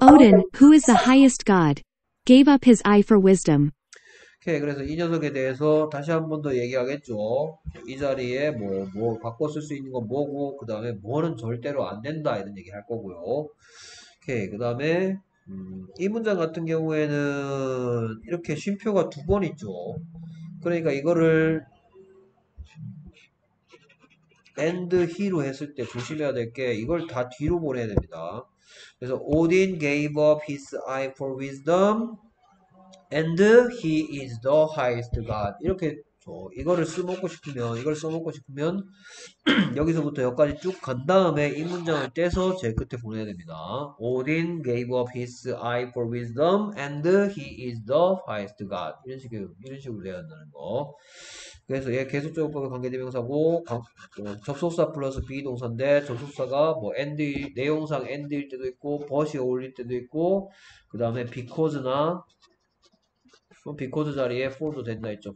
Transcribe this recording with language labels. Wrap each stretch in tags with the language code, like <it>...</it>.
<en>Odin, who is the highest god, gave up his eye for wisdom.</en> <ko>오케이. 그래서 이 녀석에 대해서 다시 한번더 얘기하겠죠. 이 자리에 뭐 바꿔 쓸수 있는 건 뭐고, 그 다음에 뭐는 절대로 안 된다. 이런 얘기 할 거고요. 오케이. 그 다음에 이 문장 같은 경우에는 이렇게 쉼표가 두번 있죠. 그러니까 이거를 and he로 했을 때 조심해야 될게 이걸 다 뒤로 보내야 됩니다. 그래서</ko> <en>Odin gave up his eye for wisdom and he is the highest god.</en> <ko>이렇게 이거를 써먹고 싶으면, 이걸 써먹고 싶으면 여기서부터 여기까지 쭉간 다음에 이 문장을 떼서 제일 끝에 보내야 됩니다.</ko> <en>Odin gave up his eye for wisdom and he is the highest god.</en> <ko>이런 식으로 돼야 한다는 거. 그래서 얘 계속적으로 관계대명사고 접속사 플러스 be 동사인데 접속사가 뭐 and 내용상 and일 때도 있고 but이 어울릴 때도 있고 그 다음에 because나 because 자리에 for도 된다 했죠.</ko>